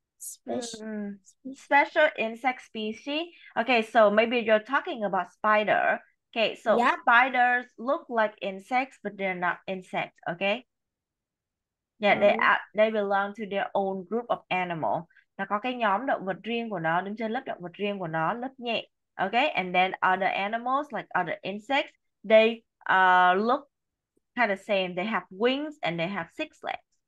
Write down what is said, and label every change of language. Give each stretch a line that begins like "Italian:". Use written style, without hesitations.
English: Special insect species? Okay, so maybe you're talking about spider. Okay, so yeah. Spiders look like insects, but they're not insects, okay? Yeah, they belong to their own group of animal.
Vietnamese: Nó có cái nhóm động vật riêng của nó, đứng trên lớp động vật riêng của nó, lớp nhện.
English: Okay, and then other animals, like other insects, they look kind of same. They have wings and they have six legs.